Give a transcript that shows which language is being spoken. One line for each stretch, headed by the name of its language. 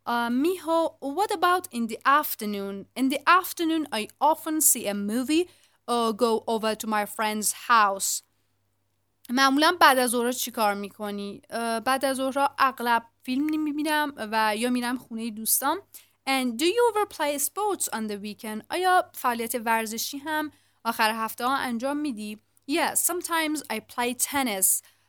English: Miho, what about in the afternoon? In the afternoon I often see a movie or go over to my friend's house.
Persian: معمولا بعد از ظهر چی کار میکنی؟ بعد از ظهر اغلب فیلم میبینم و یا میرم خونه دوستام.
English: And do you ever play sports on the weekend?
Persian: آیا فعالیت ورزشی هم آخر هفته ها انجام میدی؟
English: Yes, sometimes I play tennis.